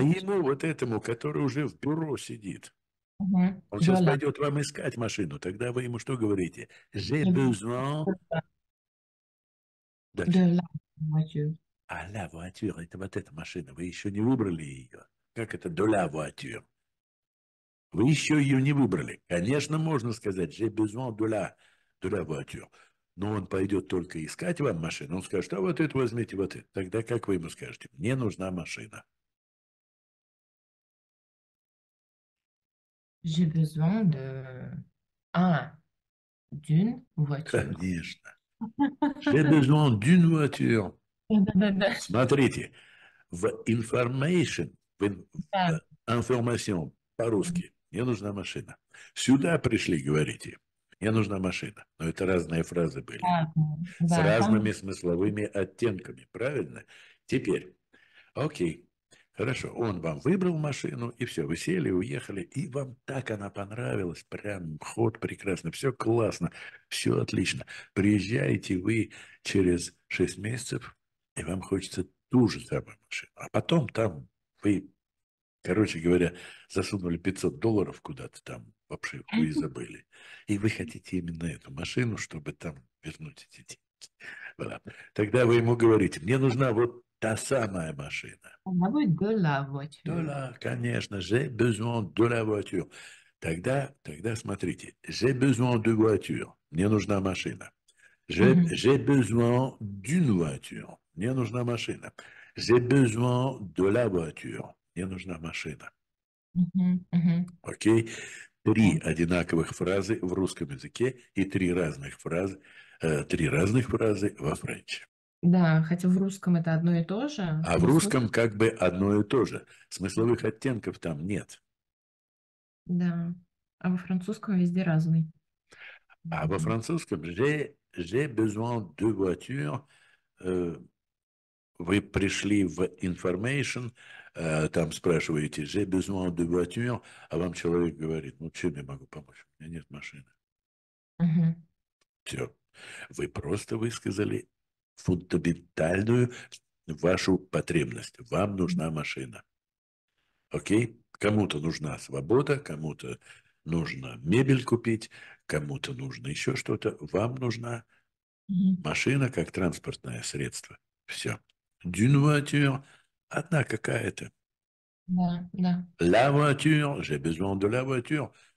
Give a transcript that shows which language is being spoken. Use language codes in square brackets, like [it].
[ru] ему, вот этому, который уже в бюро сидит, Угу. он сейчас [fr] Voilà. [ru] пойдет вам искать машину, тогда вы ему что говорите? [fr] J'ai De besoin... [ru] Дальше. [fr] la voiture. [ru] А [fr] la voiture, [ru] это вот эта машина, вы еще не выбрали ее. Как это, [fr] de la voiture? [ru] Вы еще ее не выбрали. Конечно, можно сказать, [fr] j'ai besoin de la voiture. [ru] Но он пойдет только искать вам машину. Он скажет, а вот это возьмите, вот это. Тогда как вы ему скажете? Мне нужна машина. [fr] J'ai besoin de d'une voiture. [ru] Конечно. [fr] J'ai besoin d'une voiture. [ru] Смотрите, в information, в информацию по-русски. Мне нужна машина. Сюда пришли, говорите. Мне нужна машина. Но это разные фразы были. С разными смысловыми оттенками. Правильно? Теперь. Окей. Хорошо. Он вам выбрал машину, и все. Вы сели, уехали, и вам так она понравилась. Прям ход прекрасный. Все классно. Все отлично. Приезжаете вы через 6 месяцев, и вам хочется ту же самую машину. А потом там вы, короче говоря, засунули $500 куда-то там в обшивку и забыли. И вы хотите именно эту машину, чтобы там вернуть эти деньги. [fr] Voilà. [ru] Тогда вы ему говорите, мне нужна вот та самая машина. Она будет [fr] de la De voiture. la, [ru] конечно, [fr] j'ai besoin de la voiture. [ru] Тогда смотрите, [fr] j'ai besoin de voiture, [ru] мне нужна машина. [fr] J'ai besoin d'une voiture, [ru] мне нужна машина. [fr] J'ai besoin de la voiture, [ru] мне нужна машина. Окей? Три одинаковых фразы в русском языке и три разных фразы во френч. Да, хотя в русском это одно и то же, А в но смысл. русском как бы одно и то же. Смысловых оттенков там нет. Да, а во французском везде разный. А во французском [fr] j'ai besoin de voiture. [ru] Вы пришли в information, там спрашиваете, [fr] j'ai besoin de voiture, [ru] а вам человек говорит, ну чем я могу помочь? У меня нет машины. Все. Вы просто высказали фундаментальную вашу потребность. Вам нужна машина. Окей? Кому-то нужна свобода, кому-то нужно мебель купить, кому-то нужно еще что-то. Вам нужна машина как транспортное средство. Все. [fr] D'une voiture, [ru] одна какая-то. Да. [fr] La voiture, j'ai besoin de la voiture.